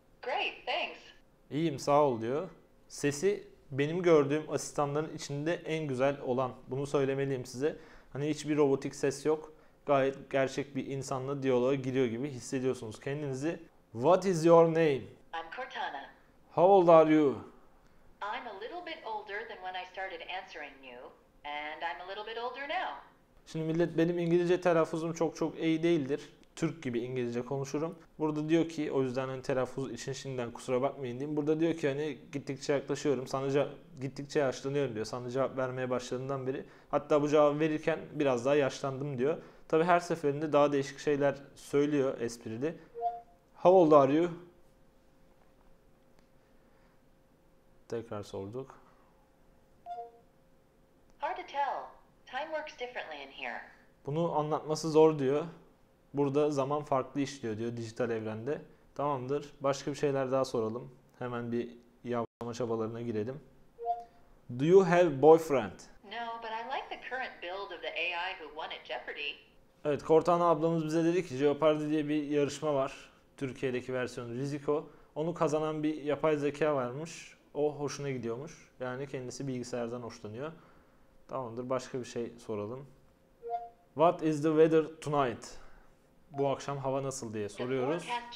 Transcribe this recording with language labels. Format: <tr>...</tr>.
<en>Great, thanks.</en> <tr>İyiyim, sağ ol diyor. Sesi benim gördüğüm asistanların içinde en güzel olan. Bunu söylemeliyim size. Hani hiçbir robotik ses yok. Gayet gerçek bir insanla diyaloğa giriyor gibi hissediyorsunuz kendinizi.</tr> <en>What is your name? I'm Cortana. How old are you? I'm a little bit older than when I started answering you, and I'm a little bit older now.</en> <tr>Şimdi millet, benim İngilizce telaffuzum çok iyi değildir. Türk gibi İngilizce konuşurum. Burada diyor ki, o yüzden hani telaffuz için şimdiden kusura bakmayın diyeyim. Burada diyor ki hani gittikçe yaklaşıyorum, gittikçe yaşlanıyorum diyor. Sana cevap vermeye başladığından beri. Hatta bu cevabı verirken biraz daha yaşlandım diyor. Tabii her seferinde daha değişik şeyler söylüyor esprili.</tr> <en>How old are you?</en> <tr>Tekrar sorduk.</tr> <en>Hard to tell. Time works differently in here.</en> <tr>Bunu anlatması zor diyor. Burada zaman farklı işliyor diyor dijital evrende. Tamamdır. Başka bir şeyler daha soralım. Hemen bir yavaşlama çabalarına girelim.</tr> <en>Do you have boyfriend? No, but I like the current build of the AI who won at Jeopardy.</en> <tr>Evet, Cortana ablamız bize dedi ki Jeopardy diye bir yarışma var. Türkiye'deki versiyonu Risiko. Onu kazanan bir yapay zeka varmış. O hoşuna gidiyormuş. Yani kendisi bilgisayardan hoşlanıyor. Tamamdır. Başka bir şey soralım.</tr> <en>What is the weather tonight?</en> <tr>Bu akşam hava nasıl diye soruyoruz.</tr>